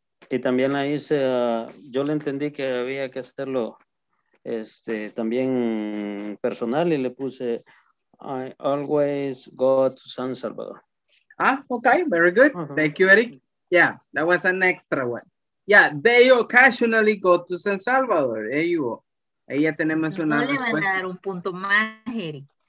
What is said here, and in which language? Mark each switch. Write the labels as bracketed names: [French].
[Spanish] Y también la hice, yo le entendí que había que hacerlo también personal y le puse, [English] I always go to San Salvador. Ah, okay, very good. Thank you, Eric. Yeah, that was an extra one. Yeah, they occasionally go to San Salvador. There you go. [Spanish] Ahí ya tenemos una respuesta. No le van a dar un punto más, Eric.